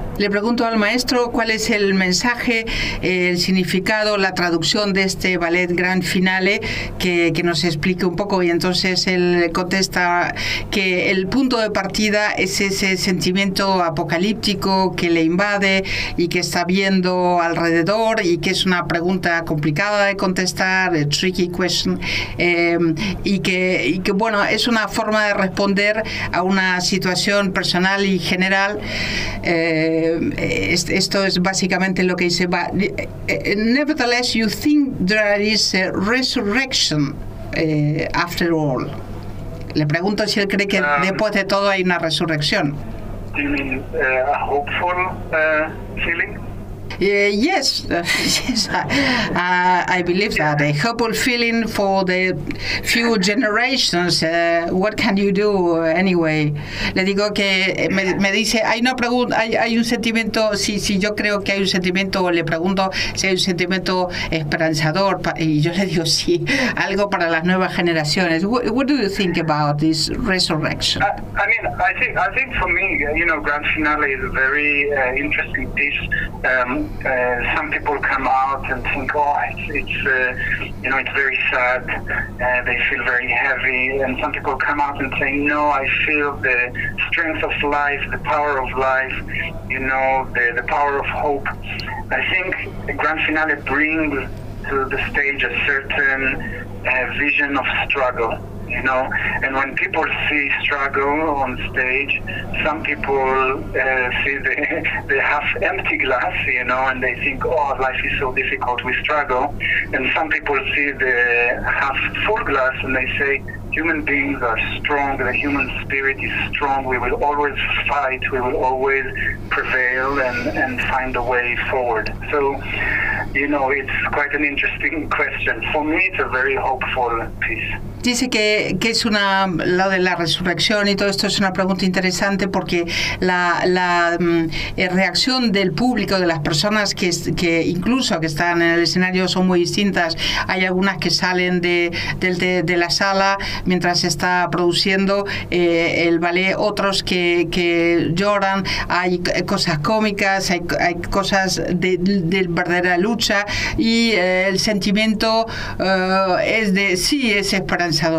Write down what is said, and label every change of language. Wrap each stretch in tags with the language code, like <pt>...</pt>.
<es>Le pregunto al maestro cuál es el mensaje, el significado, la traducción de este ballet Grand Finale, que nos explique un poco, y entonces él contesta que el punto de partida es ese sentimiento apocalíptico que le invade y que está viendo alrededor, y que es una pregunta complicada de contestar,</es> <en>a tricky question,</en> <es>y que bueno, es una forma de responder a una situación personal y general. Esto es básicamente lo que dice.</es> <en>Nevertheless, you think there is a resurrection after all.</en> <es>Le pregunto si él cree que después de todo hay una resurrección.</es> <en>Do you mean a hopeful feeling? Yes, I believe that. A hopeful feeling for the few generations. What can you do anyway?</en> <es>Le digo que me dice, hay un sentimiento, si yo creo que hay un sentimiento, o le pregunto si hay un sentimiento esperanzador, y yo le digo sí, algo para las nuevas generaciones.</es> <en>What do you think about this resurrection? I think for me, you know, Grand Finale is a very interesting piece. Some people come out and think, it's very sad. They feel very heavy. And some people come out and say, no, I feel the strength of life, the power of life, you know, the power of hope. I think Grand Finale brings to the stage a certain vision of struggle. You know, and when people see struggle on stage, some people see the half empty glass, you know, and they think, oh, life is so difficult, we struggle. And some people see the half full glass and they say, human beings are strong, the human spirit is strong, we will always fight, we will always prevail and find a way forward. So, you know, it's quite an interesting question. For me, it's a very hopeful piece.</en> <es>Dice que es una, lo de la resurrección y todo esto es una pregunta interesante, porque la reacción del público, de las personas que incluso están en el escenario, son muy distintas. Hay algunas que salen de la sala mientras se está produciendo el ballet, otros que lloran, hay cosas cómicas, hay cosas de verdadera lucha, y el sentimiento es esperanzador</es>